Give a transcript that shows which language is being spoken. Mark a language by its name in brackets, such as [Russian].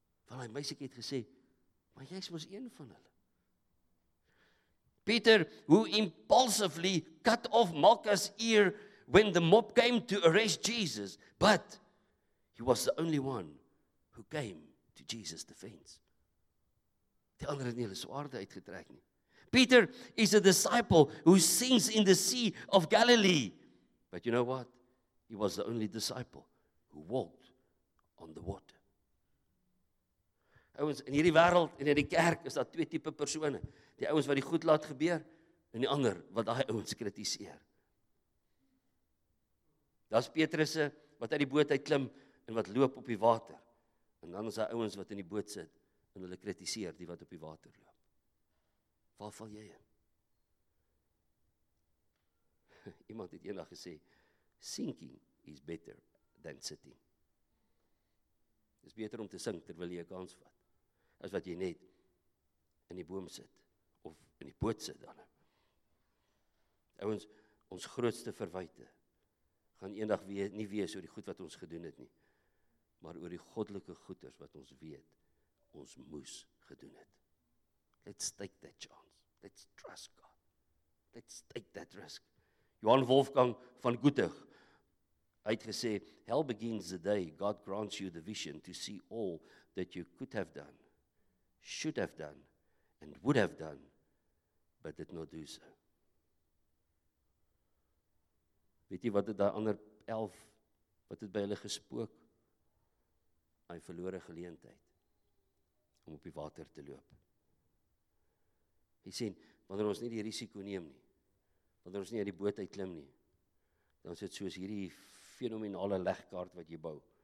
[Afrikaans] Want hy meisiekie het gesê, maar jy is mos een van hulle. [English] Peter, who impulsively cut off Malchus' ear when the mob came to arrest Jesus, but he was the only one who came to Jesus' defense. [Afrikaans] Die ander het nie hulle swaarde uitgetrek nie. [English] Peter is a disciple who sings in the Sea of Galilee. But you know what? He was the only disciple who walked on the water. [Afrikaans] Ouens, in hierdie wêreld en in die kerk is daar 2 tipe persone. Die ouens wat die goed laat gebeur en die ander wat daai ouens kritiseer. Daar's Petrusse wat uit die boot uit klim en wat loop op die water. En dan is daar ouens wat in die boot sit en hulle kritiseer die wat op die water loop. Waar val jy in? Iemand het eendag gesê, [English] sinking is better than sitting. [Afrikaans] Is beter om te sink terwyl jy 'n kans vat, as wat jy net in die boom sit, of in die boot sit dan. Ouens, ons grootste verwyte, gaan eendag weer nie wees oor die goed wat ons gedoen het nie, maar oor die goddelike goeders wat ons weet ons moes gedoen het. [English] Let's take that chance. Let's trust God. Let's take that risk. Johann Wolfgang von Goethe, [Afrikaans] hy het gesê, [English] hell begins the day God grants you the vision to see all that you could have done, should have done, and would have done, but did not do so. [Afrikaans] Weet jy wat het daai ander 11, wat het by hulle gespook? Hy verlore geleentheid om op die water te loop. Hy sê, wanneer ons nie die risiko neem nie, wanneer ons nie uit die boot uitklim nie, dan is dit soos hierdie fenomenale legkaart wat jy bou.